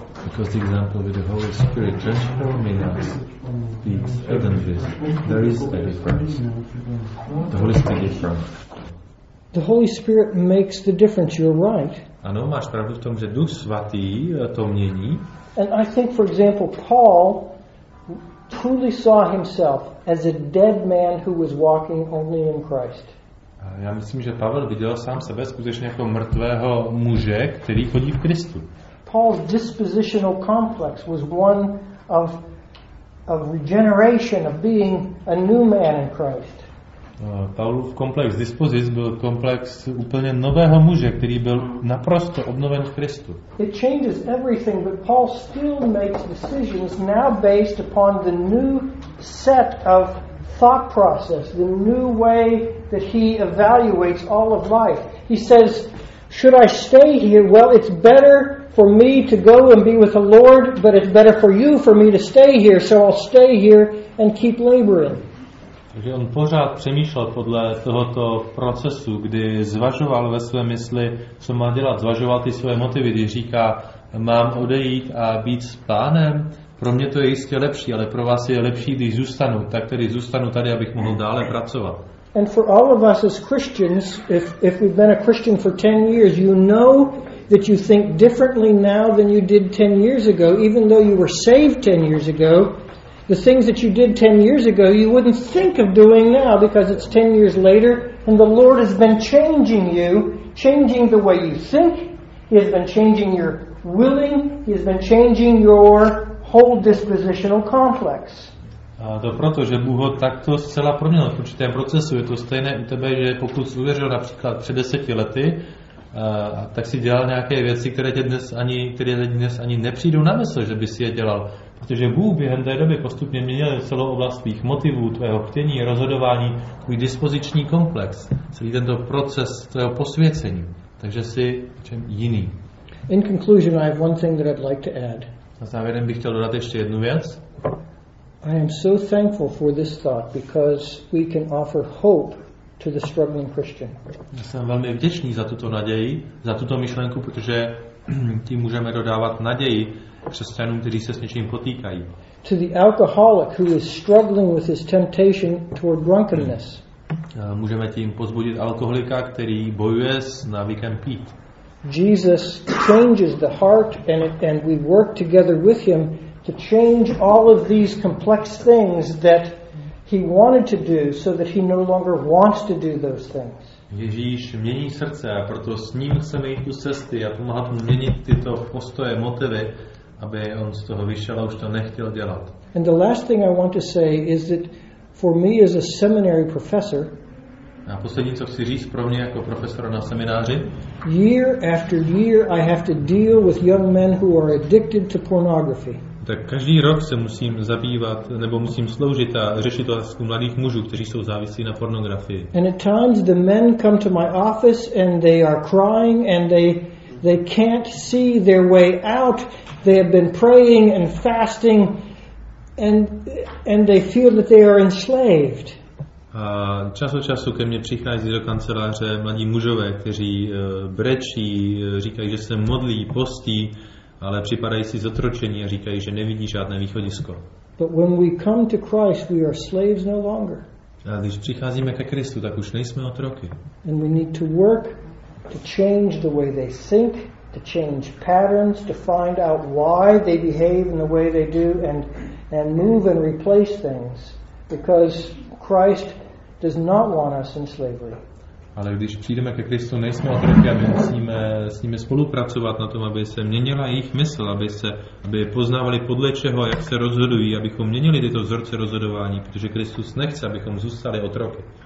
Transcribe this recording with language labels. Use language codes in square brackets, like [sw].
[en] Because the example with the Holy Spirit transforming us speaks evidently. There is a difference. The Holy Spirit is different. The Holy Spirit makes the difference, you're right. [cs] Ano, máš pravdu v tom, že Duch Svatý to mění. [en] And I think, for example, Paul truly saw himself as a dead man who was walking only in Christ. [cs] Já myslím, že Pavel viděl sám sebe skutečně jako mrtvého muže, který chodí v Kristu. [en] Paul's dispositional complex was one of regeneration, of being a new man in Christ. [cs] Paulův komplex dispozic byl komplex úplně nového muže, který byl naprosto obnoven v Kristu. [en] It changes everything, but Paul still makes decisions now based upon the new set of thought process, the new way that he evaluates all of life. He says, should I stay here? Well, it's better for me to go and be with the Lord, but it's better for you for me to stay here, so I'll stay here and keep laboring. [cs] Takže on pořád přemýšlel podle tohoto procesu, kdy zvažoval ve své mysli, co má dělat, zvažoval ty své motivy, kdy říká, mám odejít a být s Pánem, pro mě to je jistě lepší, ale pro vás je lepší, když zůstanu, tak tedy zůstanu tady, abych mohl dále pracovat. [en] And for all of us as Christians, if we've been a Christian for 10 years, you know that you think differently now than you did 10 years ago, even though you were saved 10 years ago. The things that you did 10 years ago, you wouldn't think of doing now because it's 10 years later and the Lord has been changing you, changing the way you think. He has been changing your willing. He has been changing your whole dispositional complex. [cs] A to proto, že Bůh ho takto zcela proměnil v určitém procesu. Je to stejné u tebe, že pokud jsi uvěřil například před 10 lety, tak si dělal nějaké věci, které dnes ani nepřijdou na mysl, že bys je dělal. Protože Bůh během té doby postupně měnil celou oblast tvých motivů, tvého chtění, rozhodování, tvůj dispoziční komplex, celý tento proces tvého posvěcení. Takže jsi čem jiný. [en] In conclusion, I have one thing that I'd like to add. [cs] Na závěrem bych chtěl dodat ještě jednu věc. [en] I am so thankful for this thought because we can offer hope to the struggling Christian. [cs] Já jsem velmi vděčný za tuto naději, za tuto myšlenku, protože tím můžeme dodávat naději křesťanům, kteří se s něčím potýkají. [en] To the alcoholic who is struggling with his temptation toward drunkenness. [cs] Můžeme tím pozbudit alkoholika, který bojuje s návykem pít. [en] Jesus changes the heart and we work together with him to change all of these complex things that he wanted to do so that he no longer wants to do those things. [cs] Ježíš mění srdce a proto s ním chceme jít tu cesty a pomáhat mu měnit tyto postoje, motivy, aby on z toho vyšel a už to nechtěl dělat. [en] And the last thing I want to say is that for me as a seminary professor, [cs] a poslední, co chci říct pro mě jako profesora na semináři, [en] year after year I have to deal with young men who are addicted to pornography. [cs] Tak každý rok se musím zabývat nebo musím sloužit a řešit otázku mladých mužů, kteří jsou závislí na pornografii. [en] And at times the men come to my office and they are crying and they can't see their way out. They have been praying and fasting and they feel that they are enslaved. [cs] A čas od času ke mně přichází do kanceláře mladí mužové, kteří brečí, říkají, že se modlí, postí, ale připadají si zotročení a říkají, že nevidí žádné východisko. [en] But when we come to Christ, we are slaves no longer. [cs] A když přicházíme ke Kristu, tak už nejsme otroky. [en] And we need to work to change the way they think, to change patterns, to find out why they behave in the way they do and move and replace things because Christ does not want us in slavery. [cs] Ale když přijdeme ke Kristu, nejsme otroky a my musíme s nimi spolupracovat na tom, aby se měnila jejich mysl, aby poznávali podle čeho, jak se rozhodují, abychom měnili tyto vzorce rozhodování, protože Kristus nechce, abychom zůstali otroky.